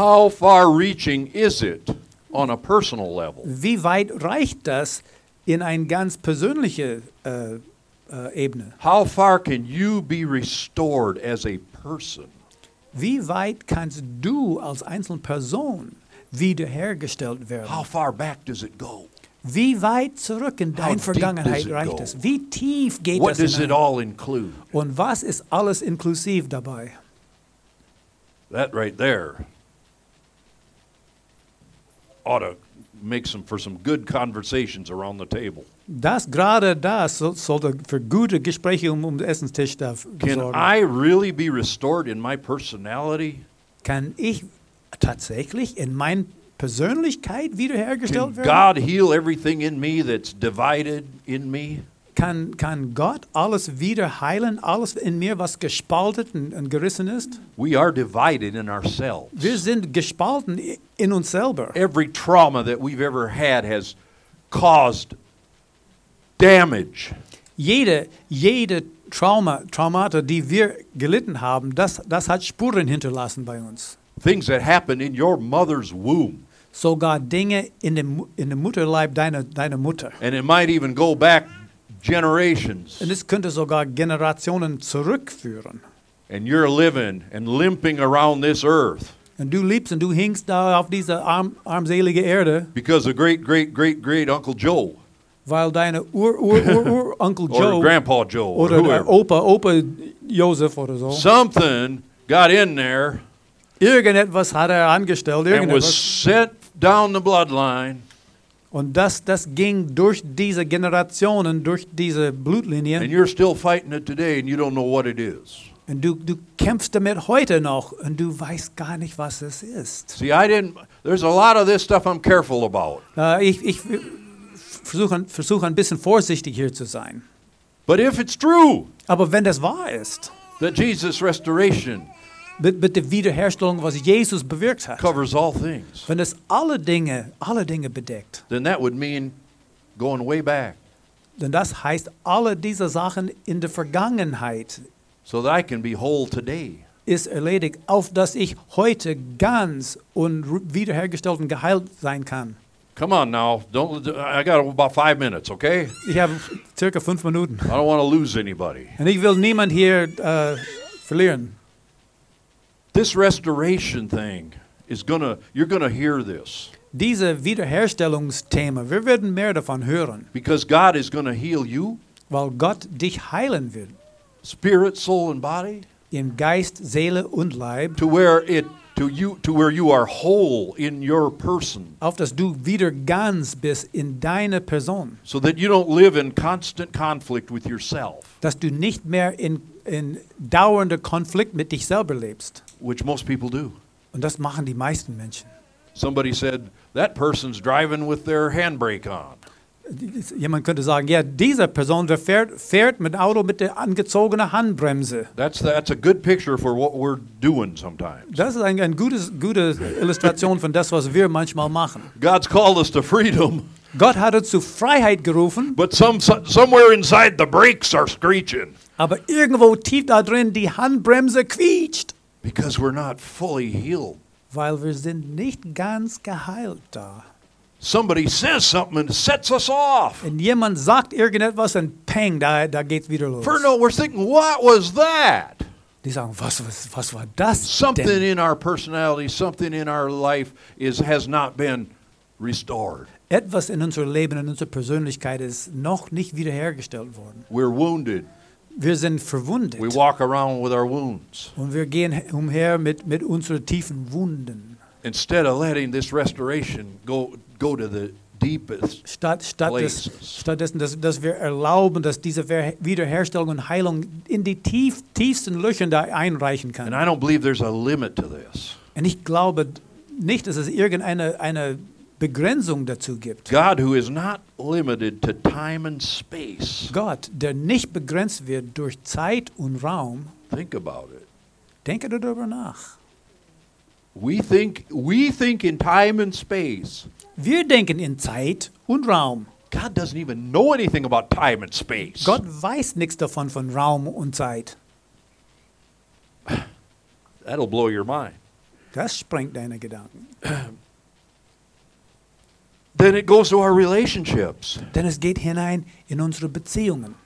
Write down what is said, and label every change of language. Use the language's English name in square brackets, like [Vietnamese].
[English] How far reaching is it on a personal level? [German] Wie weit reicht das in ein ganz persönliche Ebene? [English] How far can you be restored as a person? [German] Wie weit kannst du als einzelne Person wiederhergestellt werden? [English] How far back does it go? [German] Wie weit zurück in deine Vergangenheit reicht es? Wie tief geht [English] what [German] das [English] does it all include? [German] Und was ist alles inklusiv dabei? [English] That right there ought to make for some good conversations around the table. [German] Das gerade das sollte für gute Gespräche um den Essenstisch sorgen. [English] Can I really be restored in my personality? [German] Kann ich tatsächlich in meine Persönlichkeit wiederhergestellt werden? [English] Can God heal everything in me that's divided in me? [German] Kann Gott alles wieder heilen, alles in mir, was gespaltet und gerissen ist? [English] We are divided in ourselves. [German] Wir sind gespalten in uns selber. [English] Every trauma that we've ever had has caused damage. [German] Jede Traumata, die wir gelitten haben, das hat Spuren hinterlassen bei uns. [English] Things that happened in your mother's womb. [German] Sogar Dinge in dem Mutterleib deiner Mutter. [English] And it might even go back generations. [German] Und es könnte sogar Generationen zurückführen. [English] And you're living and limping around this earth. [German] Und du lebst und du hinkst da auf dieser armselige Erde. [English] Because of great great great great Uncle Joe. [German] Weil deine ur Uncle Joe. [English] Or Grandpa Joe. [German] Oder Opa Joseph oder so. [English] Something got in there. [German] Irgendetwas hat angestellt. [English] And was sent down the bloodline. [German] Und das ging durch diese Generationen, durch diese Blutlinien. [English] And you're still fighting it today and you don't know what it is. [German] Und du kämpfst damit heute noch und du weißt gar nicht, was es ist. [English] See, I didn't, there's a lot of this stuff I'm careful about. [German] Ich versuche ein bisschen vorsichtig hier zu sein. [English] But if it's true, [German] aber wenn das wahr ist, [English] that Jesus' restoration [German] mit der Wiederherstellung, was Jesus bewirkt hat, [English] covers all things. [German] Wenn es alle Dinge bedeckt, [English] then that would mean going way back. [German] Denn das heißt, alle diese Sachen in der Vergangenheit [English] so that I can be whole today. [German] Ist erledigt, auf dass ich heute ganz und wiederhergestellt und geheilt sein kann. [English] Come on now, I got about 5 minutes, okay? [German] Ich habe circa 5 Minuten. [English] I don't want to lose anybody. [German] Und ich will niemand hier verlieren. [English] This restoration thing is gonna, you're gonna hear this. [German] diese Wiederherstellungsthema, wir werden mehr davon hören. [English] Because God is going to heal you. [German] Weil Gott dich heilen will. [English] Spirit, soul and body. [German] In Geist, Seele und Leib. [English] To where you are whole in your person. [German] Auf dass du wieder ganz bist in deiner Person. [English] So that you don't live in constant conflict with yourself. [German] Dass du nicht mehr in dauernder Konflikt mit dich selber lebst. [English] Which most people do. [German] Und das machen die meisten Menschen. [English] Somebody said that person's driving with their handbrake on. [German] Jemand könnte sagen, ja, diese Person fährt mit Auto mit der angezogenen Handbremse. [English] That's a good picture for what we're doing sometimes. [German] Das ist ein gute Illustration von das, was wir manchmal machen. [English] God's called us to freedom. [German] Gott hat uns zu Freiheit gerufen. [English] But somewhere inside the brakes are screeching. [German] Aber irgendwo tief da drin die Handbremse quietscht. [English] Because we're not fully healed. [German] Weil wir sind nicht ganz geheilt da. [English] Somebody says something and sets us off. [German] Und jemand sagt irgendetwas und peng, da geht's wieder los. [English] For no, we're thinking, what was that? [German] Die sagen, was war das denn? [English] Something in our personality, something in our life has not been restored. [German] Etwas in unserem Leben, in unserer Persönlichkeit ist noch nicht wiederhergestellt worden. [English] We're wounded. [German] Wir sind verwundet. [English] We walk around with our wounds. [German] Und wir gehen umher mit unseren tiefen Wunden. [English] Instead of letting this restoration go to the deepest places. [German] Stattdessen, dass wir erlauben, dass diese Wiederherstellung und Heilung in die tiefsten Löcher da einreichen kann. [English] And I don't believe there's a limit to this. [German] Und ich glaube nicht, dass es irgendeine Begrenzung dazu gibt. [English] God, who is not limited to time and space. [German] Gott, der nicht begrenzt wird durch Zeit und Raum. [English] Think about it. [German] Denke darüber nach. [English] We think in time and space. [German] Wir denken in Zeit und Raum. [English] God doesn't even know anything about time and space. [German] Gott weiß nichts davon von Raum und Zeit. [English] That'll blow your mind. [German] Das sprengt deine Gedanken. [English] Then it goes to our relationships. [German] Denn es geht hinein in unsere Beziehungen.